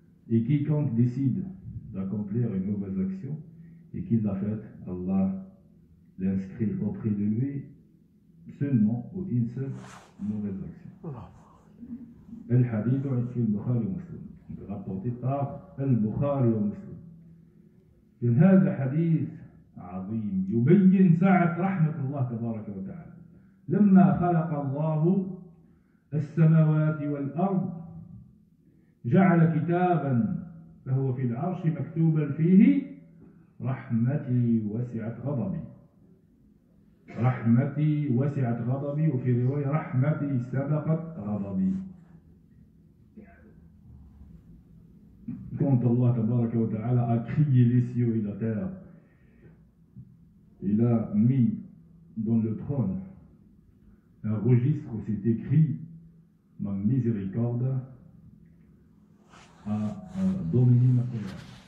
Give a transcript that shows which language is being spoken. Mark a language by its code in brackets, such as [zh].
[fr] Et quiconque décide d'accomplir une mauvaise action et qu'il l'a faite, Allah l'inscrit auprès de lui seulement ou une seule mauvaise action. Al-Hadith est fil Bukhari Muslim. Il est rapporté par Al-Bukhari et Muslim. Et [ar] هذا حديث عظيم يبين سعة رحمة الله تبارك وتعالى. لما خلق الله السماوات والأرض جعل كتابا فهو في العرش مكتوبا فيه رحمتي وسعت غضبي. رحمتي وسعت غضبي, وفي رواية رحمتي سبقت غضبي. [fr] Quand Allah tabaraka wa ta'ala a crié les cieux et la terre, il a mis dans le trône un registre où c'est écrit ma miséricorde a dominé ma colère.